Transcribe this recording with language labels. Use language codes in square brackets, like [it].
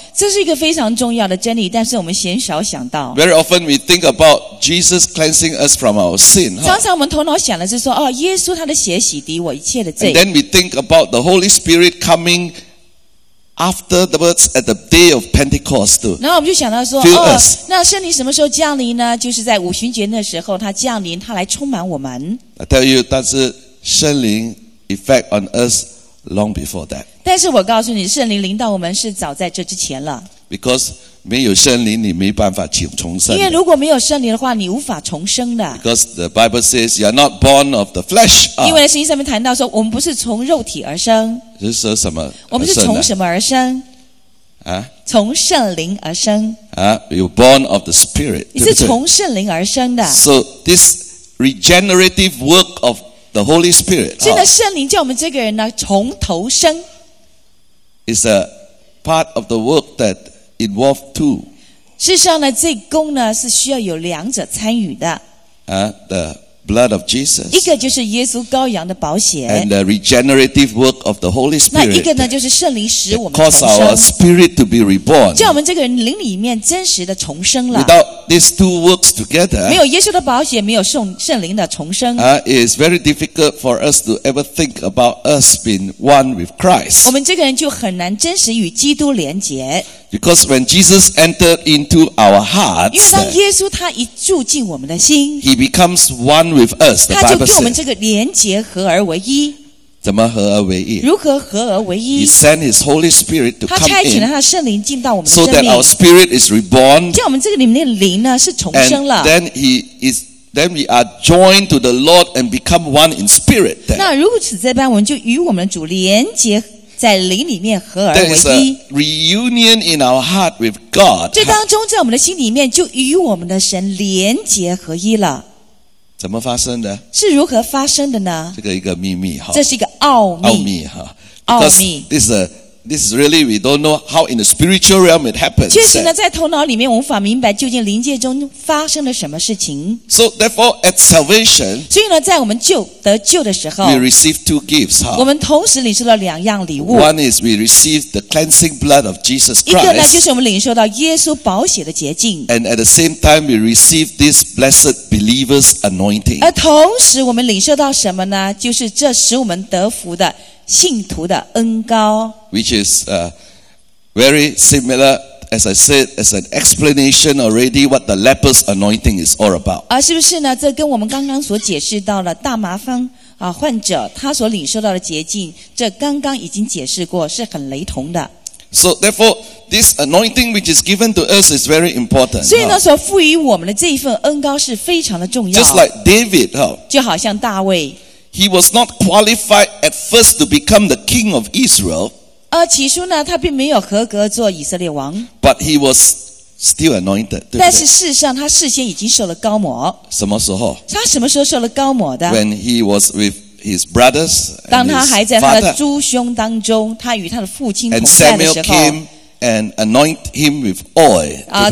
[zh] 这是一个非常重要的真理，但是我们鲜少想到。 [en] Very often we think about Jesus cleansing us from our sin. [zh] 常常我们头脑想的是说，哦，耶稣他的血洗涤我一切的罪。 [en] And then we think about the Holy Spirit coming after the words at the day of Pentecost. [zh] 然后我们就想到说，哦，那圣灵什么时候降临呢？就是在五旬节那时候，他降临，他来充满我们。 [en] I tell you, [zh] 但是圣灵 [en] effect on us long before that. [zh] 但是我告诉你，圣灵临到我们是早在这之前了。 [en] Because [zh] 没有圣灵，你没办法重生。因为如果没有圣灵的话，你无法重生的。 [en] Because the Bible says you are not born of the flesh. [zh] 因为圣经上面谈到说，我们不是从肉体而生。是说什么？我们是从什么而生？啊？从圣灵而生。 [en] 啊 ，you born of the spirit. [zh] 你是从圣灵而生的。 [en] So this regenerative work of the Holy Spirit. [zh] 现在圣灵叫我们这个人呢从头生。 [en] It's a part of the work that involves two. [zh] 事实上呢，这功呢是需要有两者参与的。 [en] The blood of Jesus. [zh] 一个就是耶稣羔羊的宝血。 [en] And the regenerative work of the Holy Spirit. [zh] 那一个呢就是圣灵使我们重生。 [en] Cause our spirit to be reborn. [zh] 叫我们这个人灵里面真实的重生了。 [en] Without these two works together. [zh] 没有耶稣的宝血，没有圣灵的重生。 [en] It's very difficult for us to ever think about us being one with Christ. [zh] 我们这个人就很难真实与基督连结。 [en] Because when Jesus entered into our hearts, [zh] 因为当耶稣他一住进我们的心， [en] He becomes one with us. The Bible says, [zh] 他就跟我们这个连结合而为一。怎么合而为一？如何合而为一 [en] ？He sent His Holy Spirit to come in. [zh] 他差遣了他的圣灵进到我们的生命。 [en] So that our spirit is reborn. [zh] 叫我们这个里面的灵呢是重生了。 [en] And then He is. Then we are joined to the Lord and become one in spirit. [zh] 那如此这般，我们就与我们主连结。在灵里面合而为一。 There is a reunion in our heart with God. 这当中在我们的心里面就与我们的神连结合一了。怎么发生的？是如何发生的呢？这个一个秘密哈。这是一个奥秘。奥秘哈。奥秘。 [en] This is really we don't know how in the spiritual realm it happens. [zh] 确实呢，在头脑里面无法明白究竟灵界中发生了什么事情。 [en] So therefore, at salvation, [zh] 所以呢，在我们得救的时候 [en] ，we receive two gifts. [zh] 我们同时领受了两样礼物。 [en] One is we receive the cleansing blood of Jesus Christ. [zh] 一个呢，就是我们领受到耶稣宝血的洁净。 [en] And at the same time, we receive this blessed believers' anointing. [zh] 而同时我们领受到什么呢？就是这使我们得福的信徒的恩膏。 [en] Which is very similar, as I said, as an explanation already what the leper's anointing is all about. [zh] 啊，是不是呢？这跟我们刚刚所解释到了大麻风啊患者他所领受到的洁净，这刚刚已经解释过，是很雷同的。 [en] So therefore, this anointing which is given to us is very important. [zh] 所以呢，所赋予我们的这一份恩膏是非常的重要。 [en] Just like David, [zh] 就好像大卫。 [en] He was not qualified at first to become the king of Israel. [zh] 起初呢，他并没有合格做以色列王。 [en] But he was still anointed. [zh] 对不对？但是事实上，他事先已经受了膏抹。什么时候？他什么时候受了膏抹的？ [en] When he was with his brothers. [zh] 当他还在他的诸兄当中，他与他的父亲同在的时候。 [en] And Samuel came and anoint him with oil.